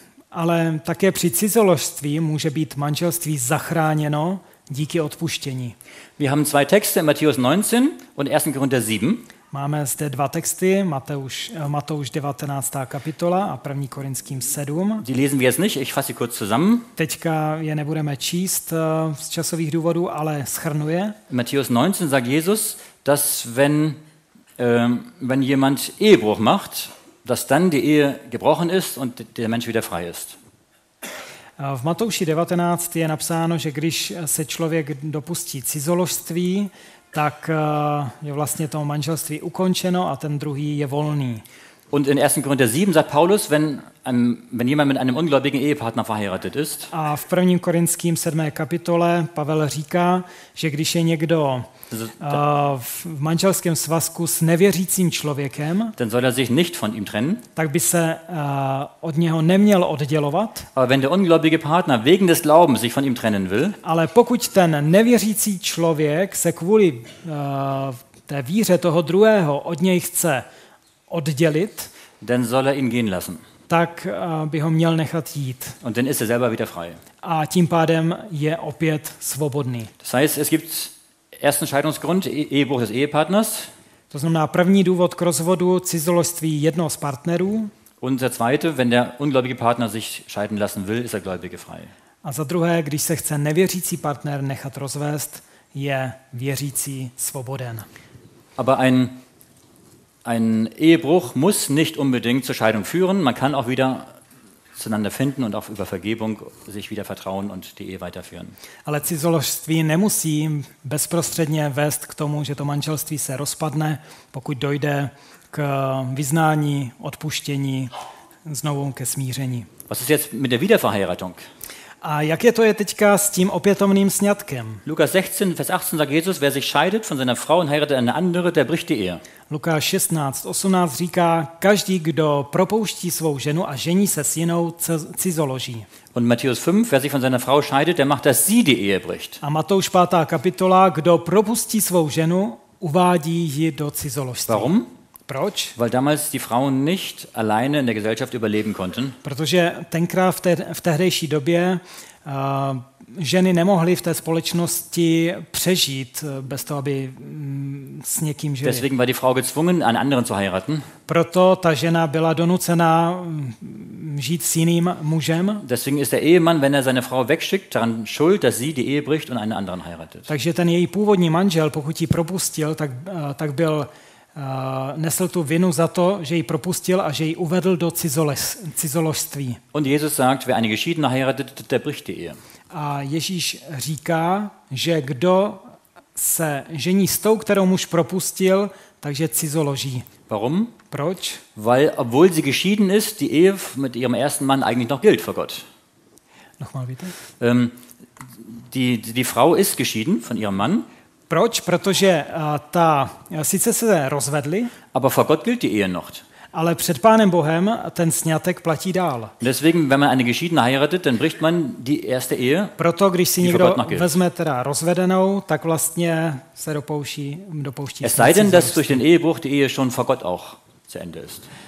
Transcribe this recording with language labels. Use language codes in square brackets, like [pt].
[cs] Ale také při cizoložství může být manželství zachráněno díky odpuštění. [de] Wir haben zwei Texte, Matthäus 19 und 1. Korinther 7. [cs] Máme zde dva texty, Matouš 19. kapitola a 1. Korinským 7. [de] Die lesen wir jetzt nicht, ich fasse kurz zusammen. [cs] Teďka je nebudeme číst z časových důvodů, ale shrnuje. [de] Matthäus 19 sagt Jesus, dass wenn jemand Ehebruch macht, dass dann die Ehe gebrochen ist und der Mensch wieder frei ist. [cs] V Matouši 19 je napsáno, že když se člověk dopustí cizoložství, tak je vlastně to manželství ukončeno a ten druhý je volný. [de] Und in 1. Korinther 7 sagt Paulus, wenn jemand mit einem ungläubigen Ehepartner verheiratet ist. [cs] A v 1. Korinským 7. kapitole Pavel říká, že když je někdo v manželském svazku s nevěřícím člověkem, [de] dann soll er sich nicht von ihm trennen. [cs] Tak by se od něho neměl oddělovat. [de] Aber wenn der ungläubige Partner wegen des Glaubens sich von ihm trennen will. [cs] Ale pokud ten nevěřící člověk se kvůli té víře toho druhého od něj chce oddělit, [de] dann soll er ihn gehen lassen. [cs] Tak by ho měl nechat jít. [de] Und dann ist er selber wieder frei. [cs] A tím pádem je opět svobodný. [de] Das heißt, es gibt ersten Scheidungsgrund, Ehebruch des Ehepartners. [cs] To znamená první důvod k rozvodu, cizoložství jednoho z partnerů. [de] Und der zweite, wenn der ungläubige Partner sich scheiden lassen will, ist der gläubige frei. [cs] A za druhé, když se chce nevěřící partner nechat rozvést, je věřící svoboden. [de] Aber ein Ehebruch muss nicht unbedingt zur Scheidung führen. Man kann auch wieder zueinander finden und auch über Vergebung sich wieder vertrauen und die Ehe weiterführen. [cs] Ale cizoložství nemusí bezprostředně vést k tomu, že to manželství se rozpadne, pokud dojde k vyznání, odpuštění, znovu ke smíření. [de] Was ist jetzt mit der Wiederverheiratung? [cs] A jak je to je teďka s tím opětovným sňatkem? [de] Lukáš 16, vers 18 sagt Jesus, wer sich scheidet von seiner Frau und heiratet eine andere, der bricht die Ehe. [cs] Lukáš 16, 18 říká, každý, kdo propouští svou ženu a žení se s jinou, cizoloží. [de] Und Matthäus 5, wer sich von seiner Frau scheidet, der macht, dass sie die Ehe bricht. [cs] A Matouš 5. kapitola, kdo propustí svou ženu, uvádí ji do cizoložství. [de] Warum? [cs] Proč? [de] Weil damals die Frauen nicht alleine in der Gesellschaft überleben konnten. [cs] Protože tenkrát v tehdejší době ženy nemohly v té společnosti přežít bez toho, aby s někým žili. [de] Deswegen war die Frau gezwungen, einen anderen zu heiraten. [cs] Proto ta žena byla donucena žít s jiným mužem. [de] Deswegen ist der Ehemann, wenn er seine Frau wegschickt, daran schuld, dass sie die Ehe bricht und einen anderen heiratet. [cs] Takže ten její původní manžel, pokud ji propustil, tak byl nesl tu vinu za to, že ji propustil a že ji uvedl do cizoložství. [de] Und Jesus sagt, wer eine geschiedene heiratet, der bricht die Ehe. [cs] A Ježíš říká, že kdo se žení s tou, kterou muž propustil, takže cizoloží. [de] Warum? [cs] Proč? [de] Weil obwohl sie geschieden ist, die Ehe mit ihrem ersten Mann eigentlich noch gilt vor Gott. Nochmal bitte. Die Frau ist geschieden von ihrem Mann. [cs] Proč? Protože ta sice se rozvedli, [de] aber vor Gott gilt die Ehe noch. [cs] Ale před Pánem Bohem ten sňatek platí dál. [de] Deswegen, wenn man eine geschiedene heiratet, dann bricht man die erste Ehe. [cs] Proto, když si někdo vezme teda rozvedenou, tak vlastně se dopouští. [de] Es sei denn, dass durch den Ehebruch die Ehe schon vor Gott auch zu Ende ist.